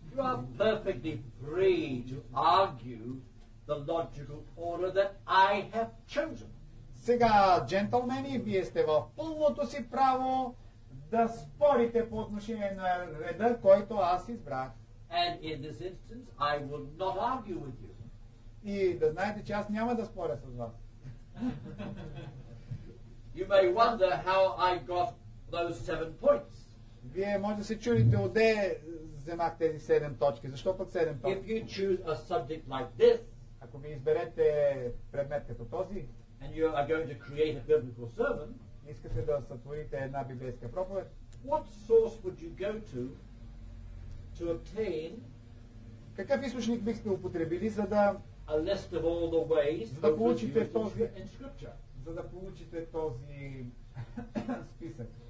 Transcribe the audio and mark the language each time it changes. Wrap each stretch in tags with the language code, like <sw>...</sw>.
<en>you are perfectly free to argue the logical order that I have chosen.</en> <bg>Сега, джентълмени, вие сте в пълното си право да спорите по отношение на реда, който аз избрах.</bg> <en>And in this instance, I will not argue with you.</en> <bg>И да знаете, че аз няма да споря с вас.</bg> <en>You may wonder how I got those 7 points.</en> <bg>Вие може да се чудите отде вземах тези 7 точки. Защо пък 7 точки?</bg> <en>If you choose a subject like this,</en> <bg>ако ми изберете предмет като този,</bg> <en>and you are going to create a biblical sermon,</en> <bg>искате да сътворите една библейска проповед,</bg> <en>what source would you go to obtain,</en> <bg>какъв източник бихте употребили, за да</bg> <en>a list of all the ways,</en> <bg>за да получите този,</bg> <en>in scripture,</en> <bg>за да получите този списък?</bg>